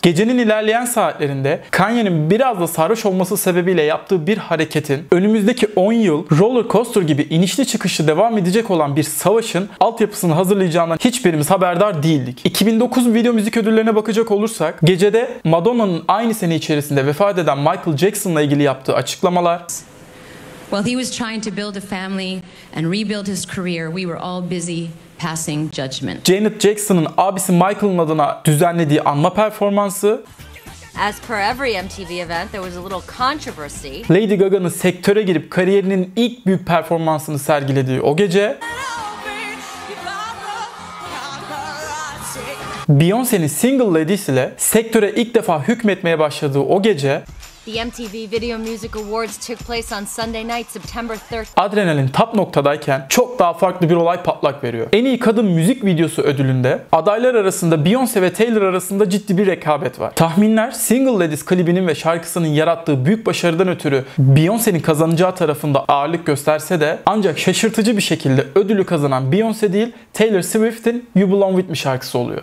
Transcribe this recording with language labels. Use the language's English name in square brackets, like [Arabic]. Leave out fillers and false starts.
[Turkish] Gecenin ilerleyen saatlerinde Kanye'nin biraz da sarhoş olması sebebiyle yaptığı bir hareketin önümüzdeki 10 yıl roller coaster gibi inişli çıkışlı devam edecek olan bir savaşın altyapısını hazırlayacağından hiçbirimiz haberdar değildik. 2009 Video Müzik Ödülleri'ne bakacak olursak gecede Madonna'nın aynı sene içerisinde vefat eden Michael Jackson'la ilgili yaptığı açıklamalar. [English] While he was trying to build a family and rebuild his career, we were all busy passing judgment. [Turkish] Janet Jackson'ın abisi Michael'ın adına düzenlediği anma performansı. [English] As per every MTV event, there was a little controversy. [Turkish] Lady Gaga'nın sektöre girip kariyerinin ilk büyük performansını sergilediği o gece. Beyoncé'nin Single Ladies ile sektöre ilk defa hükmetmeye başladığı o gece. [English] The MTV Video Music Awards took place on Sunday night, September 3rd. [Turkish] Adrenalin tap noktadayken çok daha farklı bir olay patlak veriyor. En iyi kadın müzik videosu ödülünde adaylar arasında Beyoncé ve Taylor arasında ciddi bir rekabet var. Tahminler Single Ladies klibinin ve şarkısının yarattığı büyük başarıdan ötürü Beyoncé'nin kazanacağı tarafında ağırlık gösterse de ancak şaşırtıcı bir şekilde ödülü kazanan Beyoncé değil Taylor Swift'in You Belong With Me şarkısı oluyor.